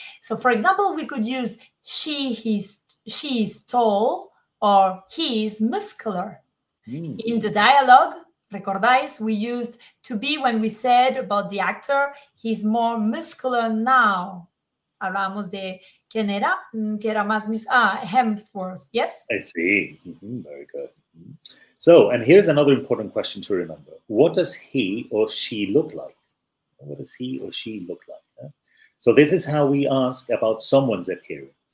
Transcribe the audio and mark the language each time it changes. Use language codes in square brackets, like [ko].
[en] So, for example, we could use she is tall or he is muscular. In the dialogue, [es] Recordáis? [en] We used to be when we said about the actor, he's more muscular now. [es] Hablamos de quién era, que era más muscular. [en] Hemsworth, yes? I see. Mm-hmm, very good. So, and here's another important question to remember. What does he or she look like? What does he or she look like? So this is how we ask about someone's appearance.